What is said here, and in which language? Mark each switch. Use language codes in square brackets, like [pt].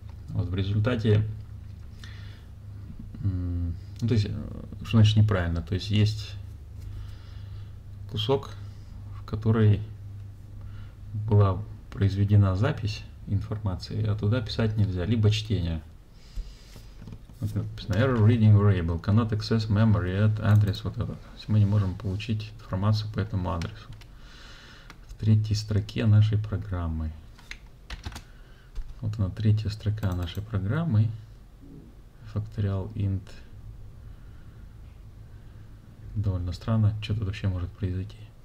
[ru] Вот в результате, ну, то есть, что значит неправильно? То есть есть кусок, в который была произведена запись информации, а туда писать нельзя, либо чтение. Написано [en] error reading variable, cannot access memory at address, [ru] вот это. То есть мы не можем получить информацию по этому адресу. В третьей строке нашей программы. Вот она, третья строка нашей программы. [en] Factorial int. [ru] Довольно странно, что тут вообще может произойти.